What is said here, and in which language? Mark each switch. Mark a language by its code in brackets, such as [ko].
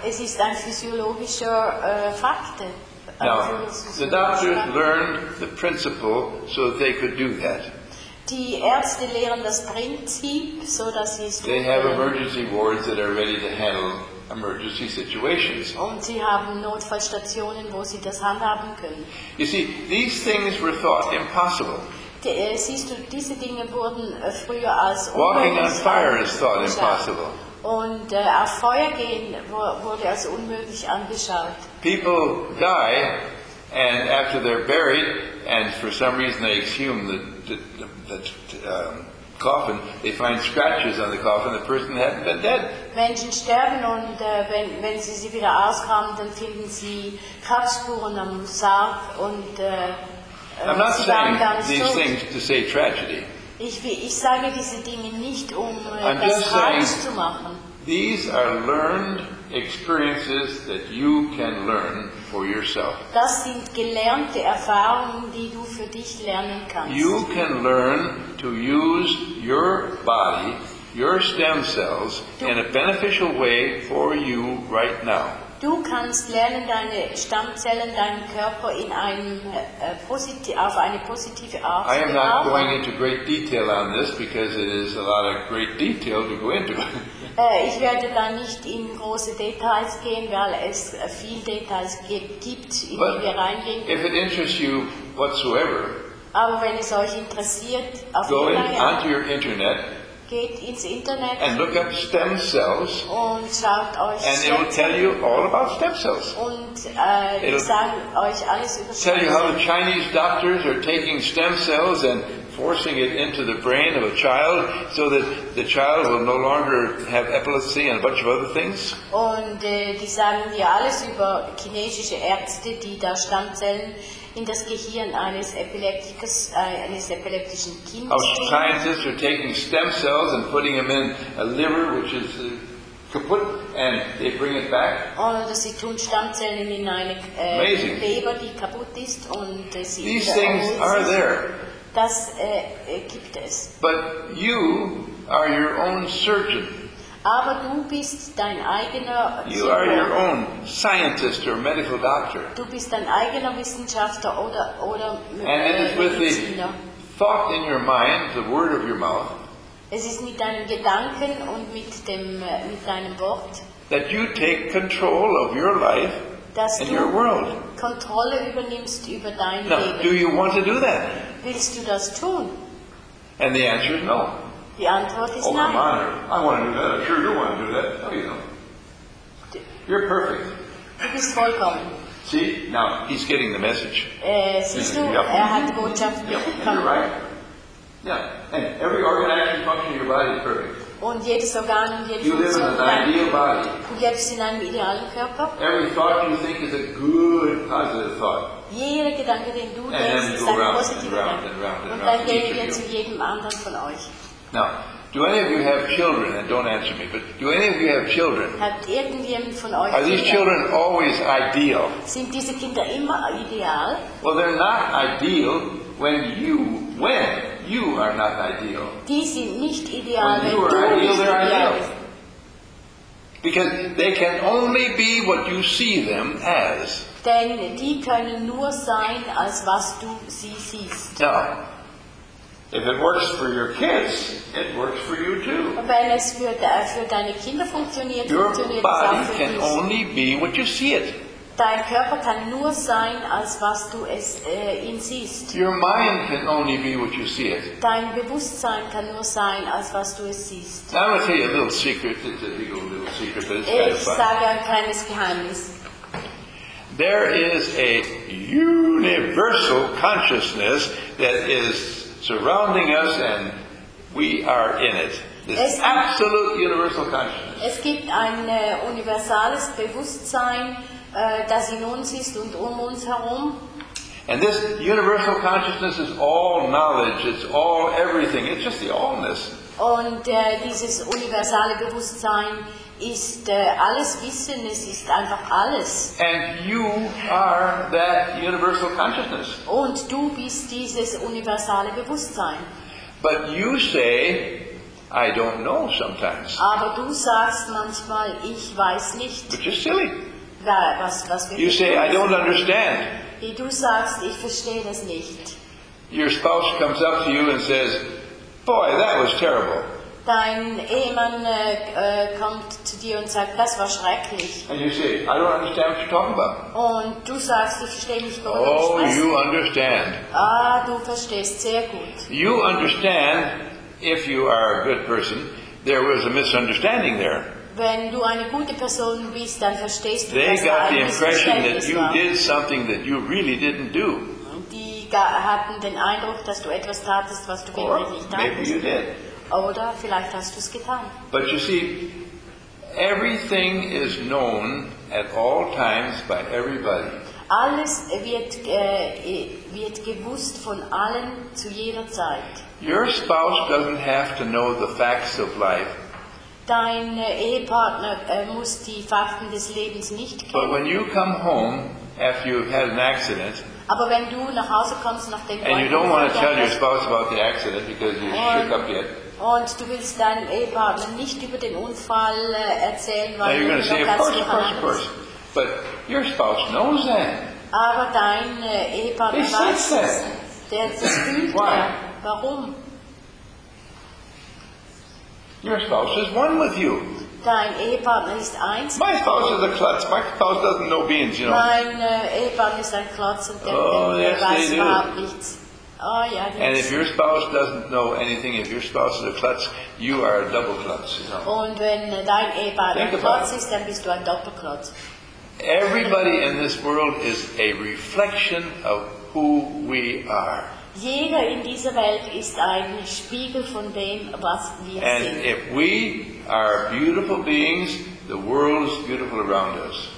[de] Es ist ein physiologischer Fakt. [en] Now, the doctors learned the principle so that they could do that. [de] Die Ärzte lehren das Prinzip, so dass sie es tun. [en] They have emergency wards that are ready to handle emergency situations. [de] Und sie haben Notfallstationen, wo sie das handhaben können. [en] You see, these things were thought impossible. [de] Siehst du, diese Dinge wurden früher als [en] walking on fire is thought impossible. [de] Und auf Feuer gehen wurde als unmöglich angeschaut. [en] People die, and after they're buried, and for some reason they exhume the coffin, they find scratches on the coffin, the person hadn't been dead. [de] Menschen sterben und wenn sie sie wieder ausgraben, dann finden sie Kratzspuren am Sarg und [en] I'm not saying these things to say tragedy. [de] Ich sage diese Dinge nicht, um das tragisch zu machen. [en] These are learned experiences that you can learn for yourself. [de] Das sind gelernte Erfahrungen, die du für dich lernen kannst. [en] You can learn to use your body, your stem cells, in a beneficial way for you right now. [de] Du kannst lernen, deine Stammzellen, deinen Körper in einem auf eine positive Art. [en] I am not going into great detail on this because it is a lot of great detail to go into. [de] Ich werde da nicht in große Details gehen, weil es viel Details gibt, in [en] but [de] die wir reingehen. [en] If it interests you whatsoever, [de] aber wenn es euch interessiert, auf [en] go onto your internet, [de] geht ins Internet [en] and look up stem cells, [de] und schaut euch [en] and it will tell you all about stem cells. [de] Und [en] it'll [de] sagen euch alles über [en] tell you how the Chinese doctors are taking stem cells and forcing it into the brain of a child so that the child will no longer have epilepsy and a bunch of other things. [de] Und die sagen dir alles über chinesische Ärzte, die da Stammzellen in das Gehirn eines epileptischen Kindes. [en] Our scientists are taking stem cells and putting them in a liver which is kaputt and they bring it back. [de] Und sie tun Stammzellen in eine Leber, die kaputt ist und sie [en] these things are there. [de] Das gibt es. [en] But you are your own surgeon. [de] Aber du bist dein eigener [en] you Zirker. Are your own scientist or medical doctor. [de] Du bist dein eigener Wissenschaftler oder [en] and it is with the thought in your mind, the word of your mouth, [de] es ist mit deinen Gedanken und mit deinem Wort, [en] that you take control of your life [de] dass [en] and your world. [de] Kontrolle übernimmst über dein [en] now, [de] Leben. [en] Do you want to do that? [de] Willst du das tun? [en] And the answer is no. [de] Die Antwort ist oh, nein. [en] I'm honored. I want to do that. I'm sure you want to do that. No, you don't. You're perfect. [de] Du bist vollkommen. [en] See, now he's getting the message. [de] Siehst du, hat die Botschaft bekommen. [en] You're right. Yeah. And every organ and function in your body is perfect. [de] Und jedes Organ und jede [en] you live in an ideal body. [de] Du lebst in einem idealen Körper. [en] Every thought you think is a good, positive thought. [de] Jeder Gedanke, den du denkst, ist ein positiver Gedanke. Und dann gehen wir zu jedem anderen von euch. [en] Now, do any of you have children? And don't answer me, but do any of you have children? [de] Habt irgendjemand von euch [en] are these children always ideal? [de] Sind diese Kinder immer ideal? [en] Well, they're not ideal when you are not ideal. [de] Die sind nicht ideal, [en] when you are [de] du [en] ideal, they're ideal. [de] Ideal. [en] Because they can only be what you see them as. [de] Denn die können nur sein, als was du sie siehst. [en] Now, if it works for your kids, it works for you too. [de] Wenn es für deine Kinder funktioniert, [en] your [de] funktioniert es auch für dich. [en] Your body can only be what you see it. [de] Dein Körper kann nur sein, als was du es ihn siehst. [en] Your mind can only be what you see it. [de] Dein Bewusstsein kann nur sein, als was du es siehst. [en] Now I'll tell you a little secret. It's a legal little secret, but it's kind of fun. [de] Ich sage ein kleines Geheimnis. [en] There is a universal consciousness that is surrounding us and We are in it. This absolute universal consciousness. [de] Es gibt ein universales Bewusstsein, das in uns ist und um uns herum. [en] And this universal consciousness is all knowledge, it's all everything, it's just the allness. [de] Und dieses universale Bewusstsein ist alles Wissen, es ist einfach alles. [en] And you are that universal consciousness. [de] Und du bist dieses universale Bewusstsein. [en] But you say, I don't know sometimes. [de] Aber du sagst manchmal, ich weiß nicht. [en] Which is silly. [de] Was [en] you say, I don't understand. [de] Wie du sagst, ich verstehe das nicht. [en] Your spouse comes up to you and says, boy, that was terrible. [de] Dein Ehemann kommt zu dir und sagt, das war schrecklich. [en] And you say, I don't understand what you're talking about. [de] Und du sagst, ich verstehe nicht, worüber du sprichst. [en] Oh, you understand. [de] Ah, du verstehst sehr gut. [en] You understand, if you are a good person, there was a misunderstanding there. [de] Wenn du eine gute Person bist, dann verstehst du, [en] they [de] dass [en] got the impression that you did something that you really didn't do. [de] Die hatten den Eindruck, dass du etwas tatest, was du wirklich nicht tatest. [en] Maybe you did. [de] Oder vielleicht hast du es getan. [en] But you see, everything is known at all times by everybody. [de] Alles wird gewusst von allen zu jeder Zeit. [en] Your spouse doesn't have to know the facts of life. [de] Dein Ehepartner muss die Fakten des Lebens nicht kennen. [en] But when you come home after you've had an accident, [de] aber wenn du nach Hause kommst, nachdem [en] and you don't want to tell your spouse about the accident because you shook up yet. [de] Und du willst deinem Ehepartner nicht über den Unfall erzählen, weil du noch ganz gefangen bist. [en] But your spouse knows that. [de] Aber dein Ehepartner weiß es. Der fühlt [en] why? [de] Warum? [en] Your spouse is one with you. [de] Dein Ehepartner ist eins. [en] My spouse is a klutz. My spouse doesn't know beans, you know. [de] Mein Ehepartner ist ein klutz und weiß überhaupt nichts. Oh, ja, [en] and if your spouse doesn't know anything, if your spouse is a klutz, you are a double klutz. You know? [de] Und wenn dein Ehepartner klutz ist, dann bist du ein Doppelklutz. [en] Everybody in this world is a reflection of who we are. [de] Jeder in dieser Welt ist ein Spiegel von dem, was wir [en] and [de] sind. [en] And if we are beautiful beings, the world is beautiful around us.